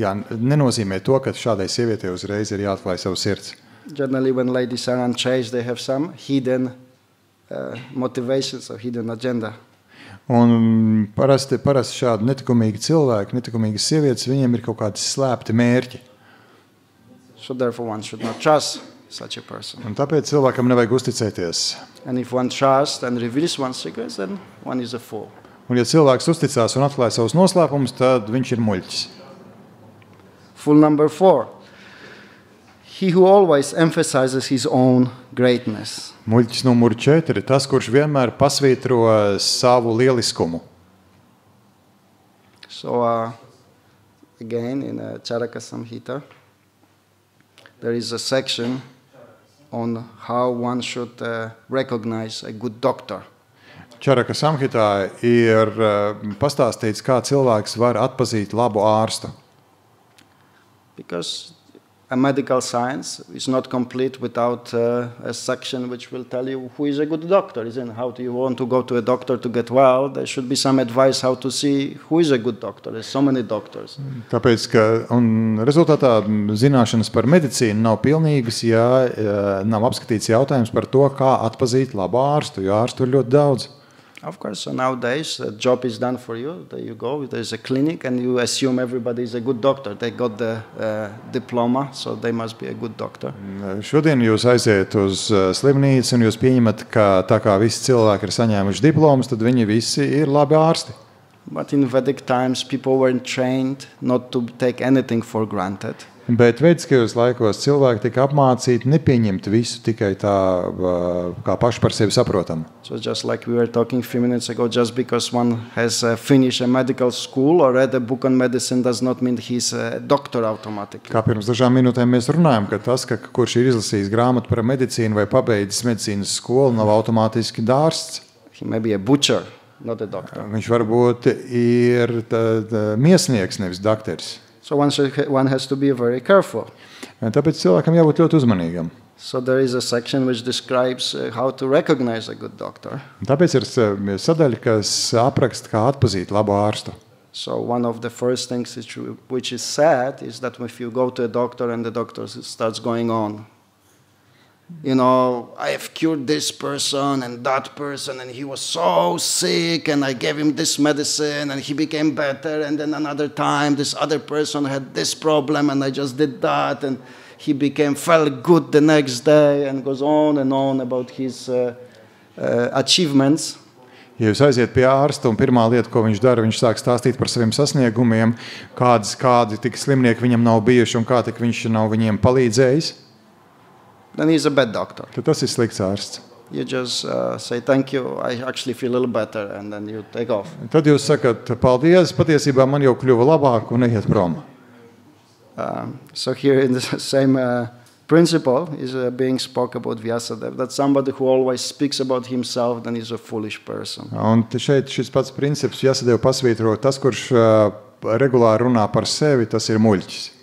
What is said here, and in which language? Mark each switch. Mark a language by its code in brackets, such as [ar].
[lv] nenozīmē to, ka šādai sievietei uzreiz ir jāatklāj savu sirds. [en] Generally, when ladies are unchaste, they have some hidden motivations or hidden agenda. [lv] Un parasti šādi netikumīgi cilvēki, netikumīgas sievietes, viņiem ir kaut kādi slēpti mērķi. [en] So therefore one should not trust such a person. [lv] Un tāpēc cilvēkam nevajag uzticēties. [en] And if one trusts and reveals one's secrets, then one is a fool. [lv] Un ja cilvēks uzticās un atklāja savus noslēpumus, tad viņš ir muļķis. [en] Fool number four. He who always emphasizes his own greatness. [lv] Muļķis numur 4, tas, kurš vienmēr pasvītro savu lieliskumu. [en] So, again, in Charaka Samhita, there is a section on how one should recognize a good doctor. [lv] Čaraka Samhitā ir pastāstīts, kā cilvēks var atpazīt labu ārstu. [en] Because a medical science is not complete without a section which will tell you who is a good doctor, isn't it? How do you want to go to a doctor to get well? There should be some advice how to see who is a good doctor. There's so many doctors. [lv] Tāpēc, ka un rezultātā zināšanas par medicīnu nav pilnīgas, ja nav apskatīts jautājums par to, kā atpazīt labu ārstu, jo ārstu ir ļoti daudz. [en] Of course, so nowadays a job is done for you. There you go. There's a clinic, and you assume everybody is a good doctor. They got the diploma, so they must be a good doctor. [lv] Šodien jūs aiziet uz slimnīcu, un jūs pieņemat, ka tā kā visi cilvēki ir saņēmuši diplomas, tad viņi visi ir labi ārsti. [en] But in Vedic times, people weren't trained not to take anything for granted. [lv] Bet vēdiskajos laikos cilvēki tika apmācīti nepieņemt visu tikai tā, kā paši par sevi saprotam. [en] So just like we were talking a few minutes ago, just because one has finished a medical school or read a book on medicine does not mean he's a doctor automatically. [lv] Kā pirms dažām minūtēm mēs runājam, ka tas, ka kurš ir izlasījis grāmatu par medicīnu vai pabeidzis medicīnas skolu, nav automātiski dārsts. [en] He may be a butcher, not a doctor. [lv] Viņš varbūt ir miesnieks, nevis dakteris. [en] So one has to be very careful. [lv] Tāpēc cilvēkam jābūt ļoti uzmanīgam. [en] So there is a section which describes how to recognize a good doctor. [lv] Tāpēc ir sadaļa, kas aprakst, kā atpazīt labu ārstu. [en] So one of the first things which is said is that if you go to a doctor and the doctor starts going on, you know, I have cured this person and that person and he was so sick and I gave him this medicine and he became better and then another time this other person had this problem and I just did that and he became felt good the next day and goes on and on about his achievements. [lv] Ja jūs aiziet pie ārsta un pirmā lieta, ko viņš dara, viņš sāk stāstīt par saviem sasniegumiem, kādi tik slimnieki viņam nav bijuši un kā tik viņš nav viņiem palīdzējis. [en] Then he's a bad doctor. [lv] Tad tas ir slikts ārsts. [en] You just say thank you, I actually feel a little better, and then you take off. [lv] Tad jūs sakat, paldies, patiesībā man jau kļuva labāk un neiet prom. [en] So here in the same principle is being spoke about Vyasadeva, that somebody who always speaks about himself, then is a foolish person. [lv] Un šeit šis pats princips Vyasadeva pasvītro, tas, kurš regulāri runā par sevi, tas ir muļķis.